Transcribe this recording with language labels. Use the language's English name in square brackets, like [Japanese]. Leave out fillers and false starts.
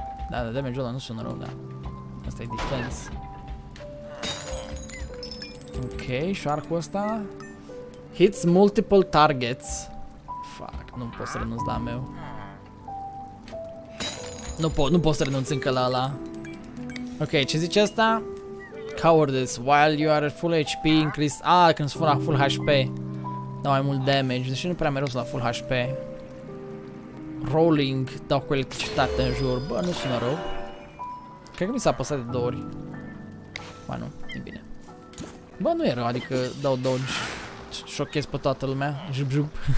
[Romanian] Da, da, damage-ul ăla nu sună rău, da. Asta e defense. Ok, shark-ul ăsta. [English] Hits multiple targets. [Romanian] Fuck, nu pot să renunț la meu. Nu pot să renunț încă la ăla. Ok, ce zice asta? [English] Cowardice, while you are at full HP, increase... [Romanian] Ah, când sunt la full HP. Dau mai mult damage, deși nu prea mereu sunt la full HP. Rolling, dau cu electricitate în jur. Bă, nu sună rău. Cred că mi s-a apăsat de două ori. Ba nu, e bine. Bă, nu e rău, adică dau dodge. Șochez pe toată lumea, jup jup.